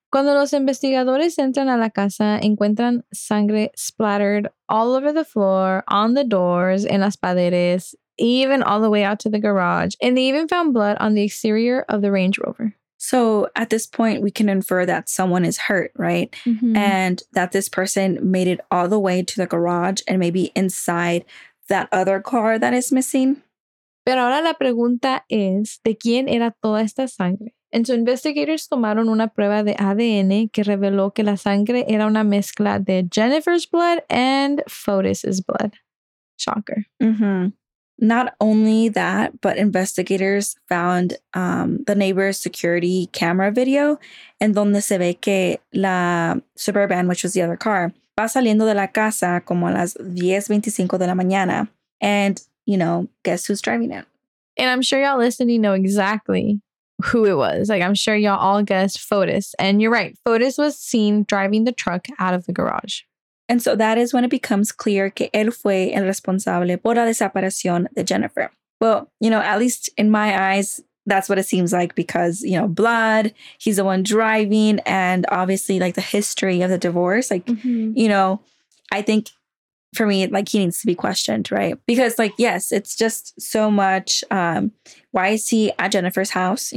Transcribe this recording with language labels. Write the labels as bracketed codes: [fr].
[es] Cuando los investigadores entran a la casa, encuentran sangre [en] splattered all over the floor, on the doors, [es] en las paredes, [en] even all the way out to the garage. And they even found blood on the exterior of the Range Rover. So at this point, we can infer that someone is hurt, right? Mm-hmm. And that this person made it all the way to the garage and maybe inside that other car that is missing. [es] Pero ahora la pregunta es, ¿de quién era toda esta sangre? [en] And so investigators [es] tomaron una prueba de ADN que reveló que la sangre era una mezcla de [en] Jennifer's blood and Fotis's blood. Shocker. Mm-hmm. Not only that, but investigators found the neighbor's security camera video [es] en donde se ve que la Suburban, [en] which was the other car, [es] va saliendo de la casa como a las 10:25 de la mañana. [en] And, you know, guess who's driving it? And I'm sure y'all listening know exactly who it was. Like, I'm sure y'all all guessed Fotis. And you're right. Fotis was seen driving the truck out of the garage. And so that is when it becomes clear [es] que él fue el responsable por la desaparición de Jennifer. [en] Well, you know, at least in my eyes, that's what it seems like because, you know, blood, he's the one driving, and obviously, like, the history of the divorce, like, you know, I think for me, like, he needs to be questioned, right? Because, like, yes, it's just so much, why is he at Jennifer's house?